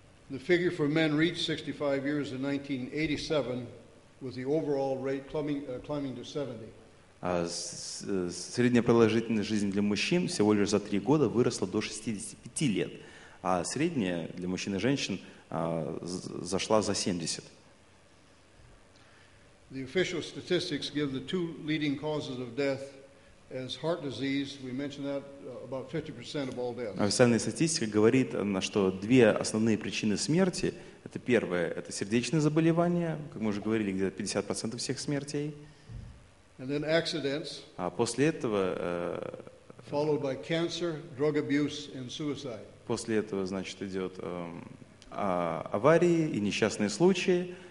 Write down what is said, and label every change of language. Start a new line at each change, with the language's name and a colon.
English: The figure for men reached 65 years in 1987, with the overall rate climbing to 70.
Russian: Средняя продолжительность жизни для мужчин всего лишь за 3 года выросла до 65 лет, а средняя для мужчин и женщин зашла за 70.
English: The official statistics give the two leading causes of death as heart disease. We mentioned that about 50% of all deaths.
Russian: Официальная статистика говорит, что две основные причины смерти, это первое, это сердечные заболевания, как мы уже говорили, где-то 50% всех смертей.
English: And then accidents.
Russian: А после этого
English: followed by cancer, drug abuse and suicide.
Russian: После этого, значит, идет аварии и несчастные случаи.